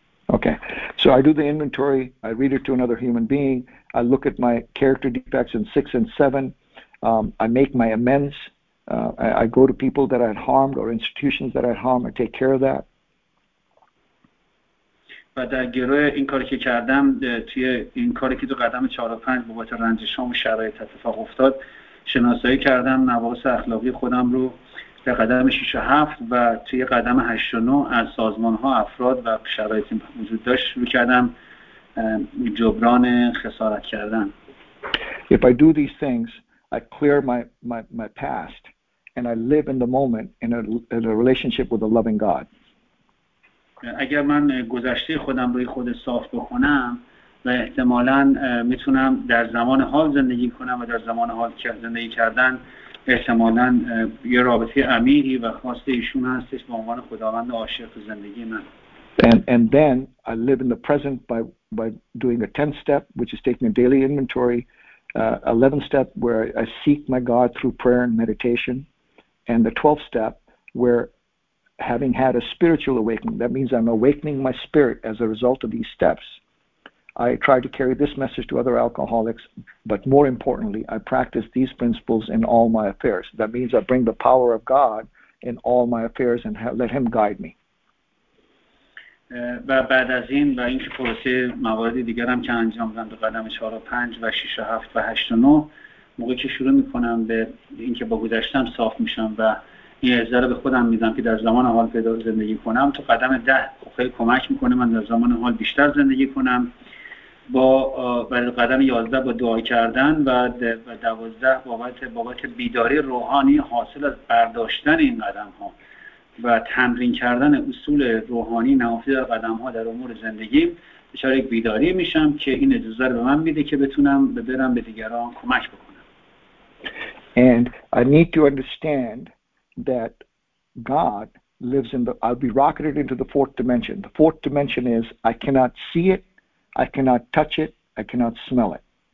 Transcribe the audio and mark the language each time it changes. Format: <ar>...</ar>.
<en>Okay, so I do the inventory, I read it to another human being, I look at my character defects in 6 and 7, I make my amends. I go to people that I had harmed or institutions that I had harmed and take care of that.</en> <fa>بعد از گروه این کاری که کردم توی این کاری که تو قدم 4 و 5 با بابت رنجشام و شرایط اتفاق افتاد شناسایی کردم نواقص اخلاقی خودم رو در قدم 6 و 7 و توی قدم 8 و 9 از سازمان‌ها افراد و شرایطی وجود داشت رو کردم جبران خسارت کردن.</fa> <en>If I do these things I clear my past and I live in the moment in a relationship with a loving God.</en> <fa>اگر من گذشته خودم روی خود صاف بکنم و احتمالاً میتونم در زمان حال زندگی کنم و در زمان حال که زندگی کردن احتمالاً یه رابطه عمیقی و خاصی ایشون هستش به عنوان خداوند عاشق زندگی من.</fa> <en>And then I live in the present by doing a 10th step which is taking a daily inventory. 11th step where I seek my God through prayer and meditation, and the 12th step where having had a spiritual awakening, that means I'm awakening my spirit as a result of these steps, I try to carry this message to other alcoholics, but more importantly, I practice these principles in all my affairs. That means I bring the power of God in all my affairs and let Him guide me.</en> <fa>و بعد از این و اینکه پروسه موارد دیگر هم که انجام دادم در قدم 4 و 5 و 6 و 7 و 8 و 9 موقعی که شروع میکنم به اینکه با گذشتم صاف میشم و این اجازه رو به خودم میدم که در زمان حال بهتر زندگی کنم، تو قدم ده خیلی کمک میکنه من در زمان حال بیشتر زندگی کنم. با قدم 11 با دعا کردن و 12 بابت بیداری روحانی حاصل از برداشتن این قدم ها و تمرین کردن اصول روحانی نهفته در قدم ها در امور زندگی، دچار یک بیداری میشم که این اجازه رو به من میده که بتونم برم به دیگران کمک بکنم.</fa> <en>And I need to understand that God lives in the, I'll be rocketed into the fourth dimension. The fourth dimension is I cannot see it, I cannot touch it, I cannot smell it.</en>